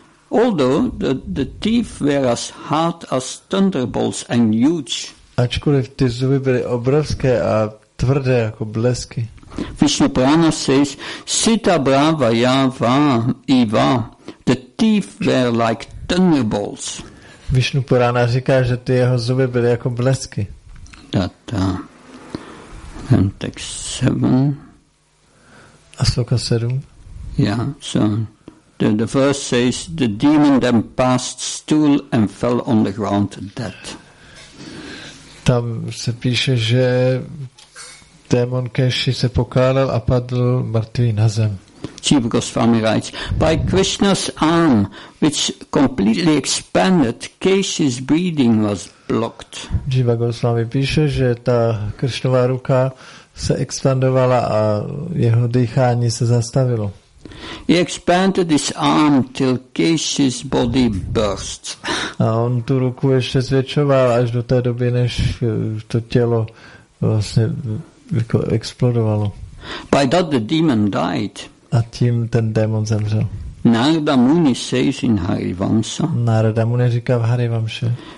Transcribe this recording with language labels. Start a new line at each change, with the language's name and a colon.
English: Although the teeth were as hard as thunderbolts and huge.
Czech: Ačkoliv ty zuby byly obrovské a tvrdé jako blesky.
English: Vishnu Purana says, Sita Brava Yava Iva, the teeth were like thunderbolts.
Czech: Vishnu Purana říká, že ty jeho zuby byly jako blesky.
English: Data. And text 7.
Czech: Asloka 7.
English: Yeah, so the verse says, the demon then passed stool and fell on the ground dead.
Czech: Tam se píše, že démon Keshi se pokálel a padl mrtvý na zem.
English: Chief Goswami writes, by Krishna's arm, which completely expanded, Keshi's breathing was blocked.
Czech: Jiva Goswami píše, že ta Krishnova ruka se expandovala a jeho dýchání se zastavilo.
English: He expanded his arm till Keshi's body burst.
Czech: A on tu ruku ještě zvětšoval až do té doby, než to tělo vlastně jako explodovalo.
English: By that the demon died.
Czech: A tím ten démon zemřel.
English: Narada Muni says in Harivamsa.
Czech: Narada Muni říká v Harivamsa.